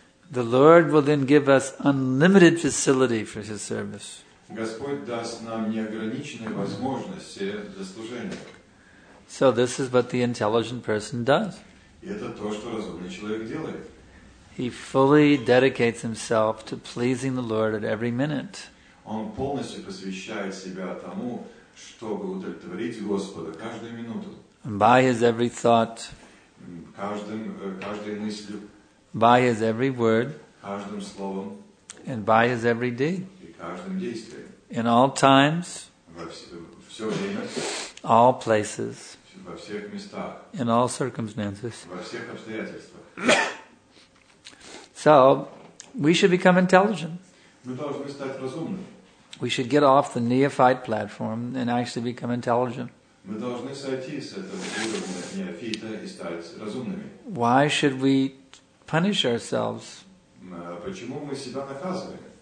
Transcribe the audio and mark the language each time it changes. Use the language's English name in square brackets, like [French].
[English] the Lord will then give us unlimited facility for His service. [Russian] Господь даст нам неограниченные возможности для служения. [English] So this is what the intelligent person does. [Russian] Это то, что разумный человек делает. [English] He fully dedicates himself to pleasing the Lord at every minute. [Russian] Он полностью посвящает себя тому, чтобы удовлетворить Господа каждую минуту. [English] By his every thought. [Russian] Каждой мыслью. [English] By his every word. [Russian] Каждым словом. [English] And by his every deed. [Russian] И каждым действием. [English] In all times. [Russian] Все время. [English] All places, [Russian] во всех местах, [English] in all circumstances. [Russian] Во всех обстоятельствах. [English] So, we should become intelligent. [Russian] Мы должны стать разумными. [English] We should get off the neophyte platform and actually become intelligent. [Russian] Мы должны сойти с этого уровня неофита и стать разумными. [English] Why should we punish ourselves? [Russian] Почему мы себя наказываем?